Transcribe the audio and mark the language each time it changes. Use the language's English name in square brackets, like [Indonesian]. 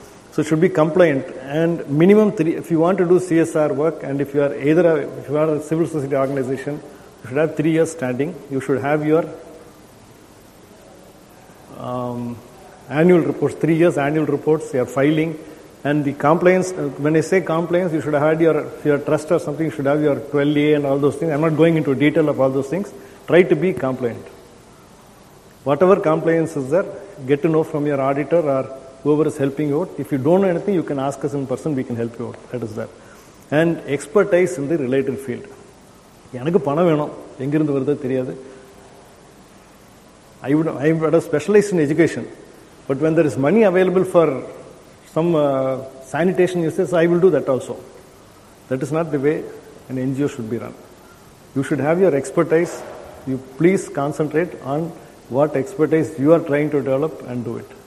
[English] So it should be compliant, and minimum three, if you want to do CSR work, and if you are either a, if you are a civil society organization, you should have 3 years standing, you should have your annual reports, 3 years annual reports, your filing, and the compliance, when I say compliance, you should have had your trust or something, you should have your 12A and all those things. I'm not going into detail of all those things. Try to be compliant. Whatever compliance is there, get to know from your auditor or whoever is helping you out. If you don't know anything, you can ask us in person, we can help you out. That is there. And expertise in the related field. [Tamil] எனக்கு பணம் வேணும் எங்கிருந்து வருதோ தெரியாது. [English] I would have specialized in education, but when there is money available for some sanitation uses, I will do that also. That is not the way an NGO should be run. You should have your expertise. You please concentrate on what expertise you are trying to develop and do it.